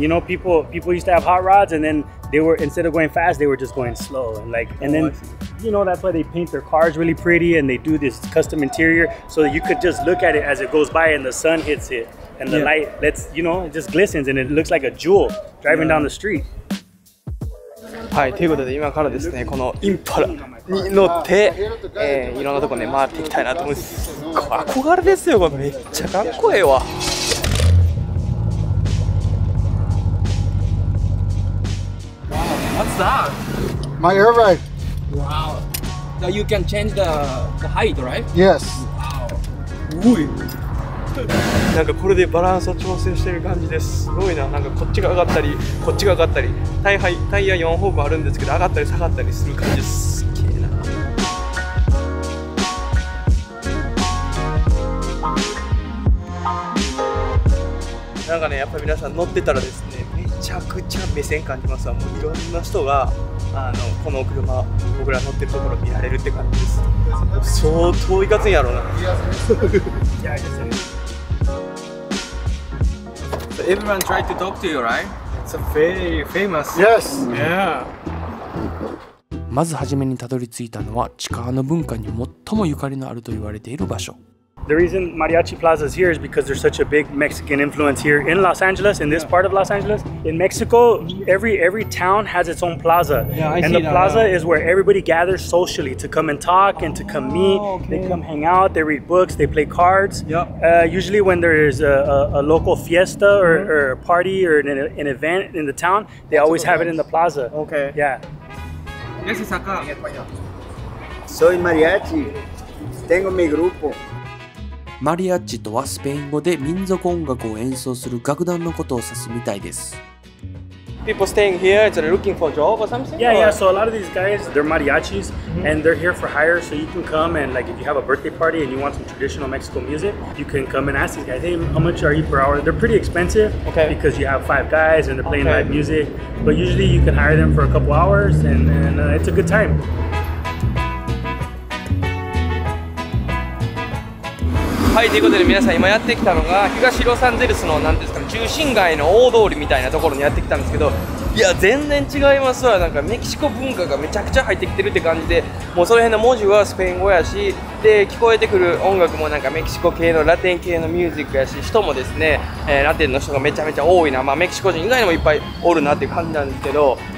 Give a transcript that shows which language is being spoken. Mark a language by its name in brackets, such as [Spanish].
[English] You know, people used to have hot rods, and then they were, instead of going fast, they were just going slow. And like, and then, you know, that's why they paint their cars really pretty, and they do this custom interior so that you could just look at it as it goes by and the sun hits it. and the light lets, you know, it just glistens and it looks like a jewel driving down the street. [Japanese] はい、ということで今からですね、このインパラに乗って、いろんなとこね、回っていきたいなと思います。憧れですよ、これめっちゃかっこええわ。 [English] What's that? My air ride. Wow. That you can change the height, right? Yes. Wow. Ui. [Japanese] なんかこれでバランスを調整してる感じです。すごいな。なんかこっちが上がったり、こっちが上がったり、タイヤ4方向あるんですけど、上がったり下がったりする感じです。なんかね、やっぱり皆さん乗ってたらですね、めちゃくちゃ目線感じますわ。もういろんな人がこの車、僕ら乗ってるところ見られるって感じです。相当いかついやろうな。 [English] So everyone tried to talk to you, right? It's a very famous. Yes. Yeah. [Japanese] まず初めにたどり着いたのは、チカーノ文化に最もゆかりのあると言われている場所。 [English] The reason Mariachi Plaza is here is because there's such a big Mexican influence here in Los Angeles, in this part of Los Angeles. In Mexico, every town has its own plaza. Yeah, plaza is where everybody gathers socially to come and talk and to come meet. Okay. They come hang out, they read books, they play cards. Yep. Usually when there is a local fiesta or a party or an event in the town, they always have it in the plaza. Okay. Yeah. Yes, Isaka. [Spanish] Soy Mariachi. Tengo mi grupo. [Japanese] マリアッチとはスペイン語で民族音楽を演奏する楽団のことを指すみたいです。 [English] People staying here, it's looking for job or something? Yeah, yeah. So a lot of these guys, they're mariachis, and they're here for hire. So you can come and like if you have a birthday party and you want some traditional Mexico music, you can come and ask these guys, hey, how much are you per hour? They're pretty expensive, okay. Because you have five guys and they're playing live music. But usually you can hire them for a couple hours, and it's a good time. [Japanese] はい、ということで皆さん今やってきたのが東ロサンゼルスの何ですか、中心街の大通りみたいなところにやってきたんですけど、いや全然違いますわ。なんかメキシコ文化がめちゃくちゃ入ってきてるって感じで、もうその辺の文字はスペイン語やし、で聞こえてくる音楽もなんかメキシコ系のラテン系のミュージックやし、人もですね、ラテンの人がめちゃめちゃ多いな、まあ、メキシコ人以外にもいっぱいおるなって感じなんですけど、